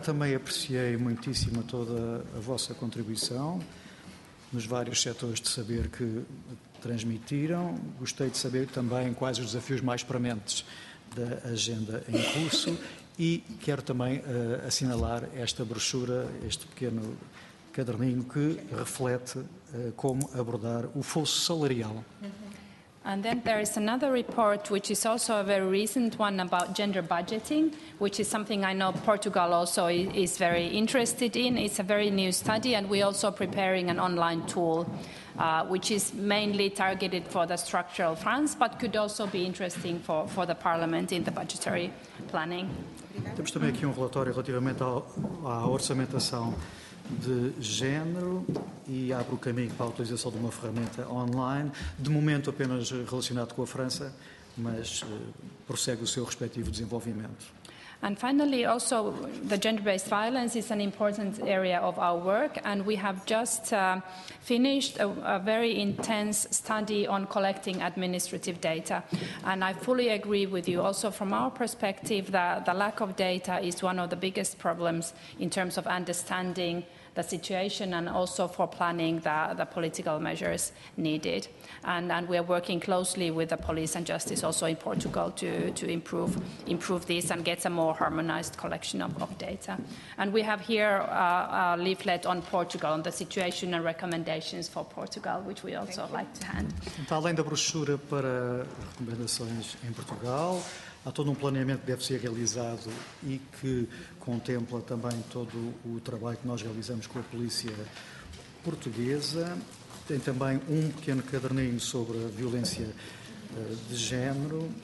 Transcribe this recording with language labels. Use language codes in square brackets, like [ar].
[pt] Também apreciei muitíssimo toda a vossa contribuição nos vários setores de saber que transmitiram. Gostei de saber também quais os desafios mais prementes da agenda em curso e quero também assinalar esta brochura, este pequeno caderninho que reflete como abordar o fosso salarial. [en] And then there is another report, which is also a very recent one about gender budgeting, which is something I know Portugal also is very interested in. It's a very new study, and we're also preparing an online tool, which is mainly targeted for the structural funds, but could also be interesting for the Parliament in the budgetary planning. [pt] Temos também aqui relatório relativamente à orçamentação de género e abre o caminho para a utilização de uma ferramenta online, de momento apenas relacionado com a França, mas prossegue o seu respectivo desenvolvimento. [en] And finally, also, the gender-based violence is an important area of our work, and we have just finished a very intense study on collecting administrative data. And I fully agree with you also from our perspective that the lack of data is one of the biggest problems in terms of understanding the situation and also for planning the political measures needed. And we are working closely with the police and justice also in Portugal to improve this and get a more harmonized collection of data. And we have here a leaflet on Portugal, on the situation and recommendations for Portugal, which we also like to hand. [pt] Então, além da brochura para recomendações em Portugal, há todo planeamento que deve ser realizado e que contempla também todo o trabalho que nós realizamos com a polícia portuguesa. Tem também pequeno caderninho sobre a violência de género.